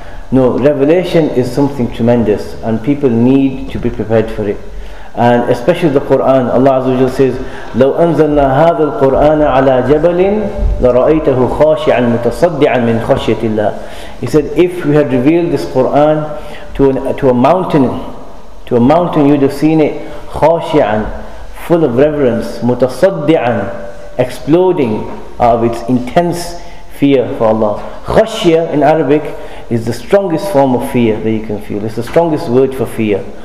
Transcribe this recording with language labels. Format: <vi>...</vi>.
<en>No, revelation is something tremendous, and people need to be prepared for it. And especially the Quran, Allah Azza wa Jalla says,</en> <ar>لو أنزلنا هذا القرآن على جبل لرأيته خاشعا متصدعا من خشية الله.</ar> <en>He said, if we had revealed this Quran to a mountain, you'd have seen it خاشعا, full of reverence, mutasaddi'an, exploding out of its intense fear for Allah. Khashya in Arabic is the strongest form of fear that you can feel. It's the strongest word for fear.</en>